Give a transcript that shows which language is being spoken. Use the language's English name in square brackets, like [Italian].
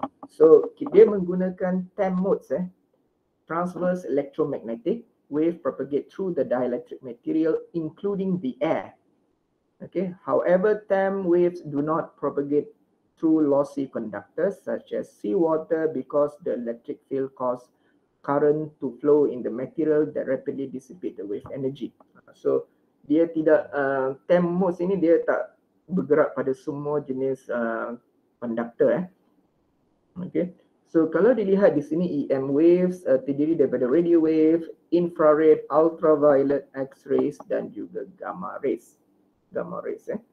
[Malay] So, dia menggunakan 10 modes. [English] Transverse electromagnetic wave propagate through the dielectric material including the air. Okay. However, TEM waves do not propagate through lossy conductors such as seawater because the electric field causes current to flow in the material that rapidly dissipate the wave energy. [Malay] So, dia tidak, TEM modes ini dia tak bergerak pada semua jenis conductor. Okay. So, kalau dilihat di sini EM waves terdiri daripada radio wave, infrared, ultraviolet, X-rays dan juga gamma rays. Gamma rays.